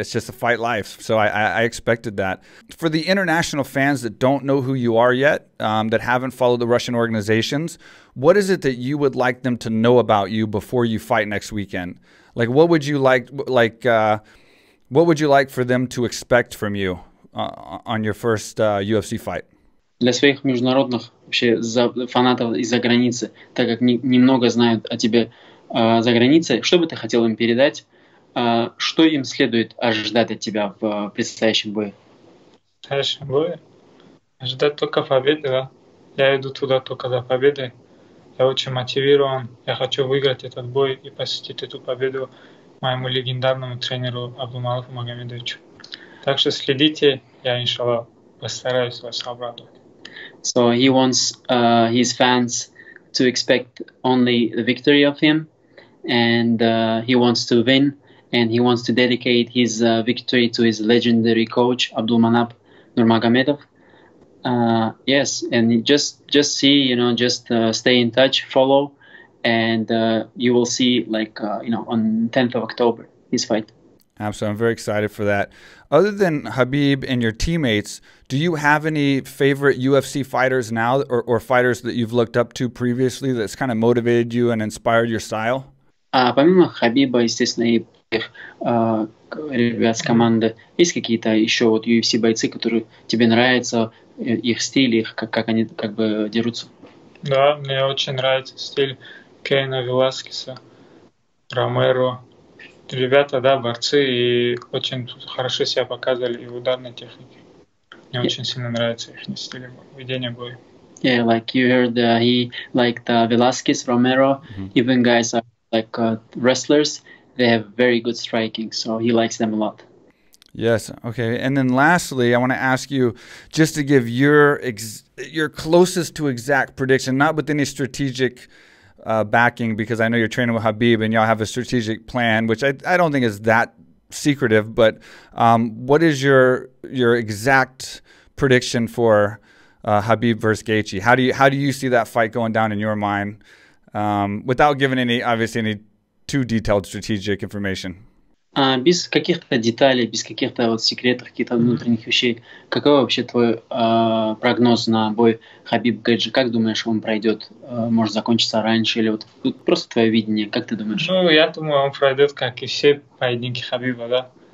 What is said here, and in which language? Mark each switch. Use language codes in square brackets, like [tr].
[en] It's just a fight life, so I expected that. For the international fans that don't know who you are yet, that haven't followed the Russian organizations, what is it that you would like them to know about you before you fight next weekend? Like, what would you what would you like for them to expect from you on your first UFC fight? [ru] Для своих международных вообще фанатов из-за границы, так как немного знают о тебе за границей, что бы ты хотел им передать? Что им следует ожидать от тебя в предстоящем бою? В предстоящем бою? Ожидать только победы, да? Я иду туда только за победой. Я очень мотивирован. Я хочу выиграть этот бой и посетить эту победу моему легендарному тренеру Абдулмалику Магомедовичу. Так что следите, я, иншаллах, постараюсь вас обрадовать. [en] So he wants his fans to expect only the victory of him, and he wants to win, and he wants to dedicate his victory to his legendary coach Abdulmanap Nurmagomedov. Yes, and just see, you know, just stay in touch, follow, and you will see, like, you know, on 10th of October, his fight. Absolutely, I'm very excited for that. Other than Khabib and your teammates, do you have any favorite UFC fighters now, or fighters that you've looked up to previously that's kind of motivated you and inspired your style? [ru] Помимо Хабиба, естественно, и ребят с команды, есть какие-то еще вот UFC бойцы, которые тебе нравятся, их стиль, их как они как бы дерутся? Да, мне очень нравится стиль Кейна, Веласкеса, Ромеро. Ребята, да, борцы, и очень хорошо себя показывали и в ударной технике. Мне очень сильно нравится их стиль ведения боя. [en] Yeah, like you heard, he liked Velasquez, Romero, mm-hmm. Even guys are like wrestlers, they have very good striking, so he likes them a lot. Yes, okay. And then lastly, I want to ask you just to give your closest to exact prediction, not with any strategic backing, because I know you're training with Khabib and y'all have a strategic plan, which I don't think is that secretive, but what is your exact prediction for Khabib versus Gaethje? How do you see that fight going down in your mind, without giving any too detailed strategic information? [ru] Без каких-то деталей, без каких-то вот секретов, каких-то внутренних вещей, какой вообще твой прогноз на бой Хабиб-Гаджи? Как думаешь, он пройдет? Может закончиться раньше? Или вот просто твое видение, как ты думаешь? Ну, я думаю, он пройдет, как и все поединки Хабиба, да?